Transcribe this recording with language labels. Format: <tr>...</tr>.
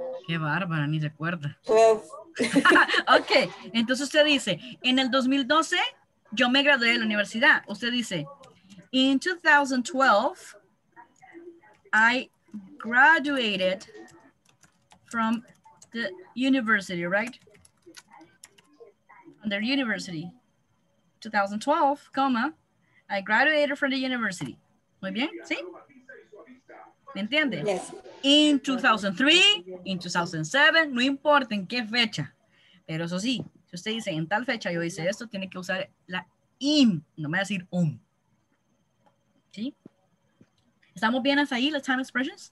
<es>Qué bárbara, ni se acuerda. 12. Ok, entonces usted dice, en el 2012... yo me gradué de la universidad.</es> <en>Usted dice, in 2012, I graduated from the university, right? From the university. 2012,</en> <es>coma,</es> <en>I graduated from the university.</en> <es>Muy bien, ¿sí? ¿Me entiende?</es> <en>Yes. In 2003, in 2007,</en> <es>no importa en qué fecha. Pero eso sí, si usted dice en tal fecha, yo hice esto, tiene que usar la in, no me va a decir un. ¿Sí? ¿Estamos bien hasta ahí, las time expressions?</es>